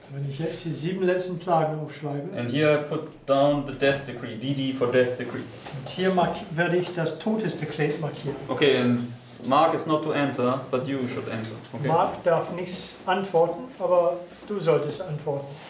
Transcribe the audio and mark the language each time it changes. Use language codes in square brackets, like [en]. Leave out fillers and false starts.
[de] So wenn ich jetzt die sieben letzten Plagen aufschreibe. [en] And here I put down the death decree, DD for death decree. [de] Und hier werde ich das Todesdekret markieren. [en] Okay, and Mark is not to answer, but you should answer. Okay. [de] Mark darf nichts antworten, aber du solltest antworten.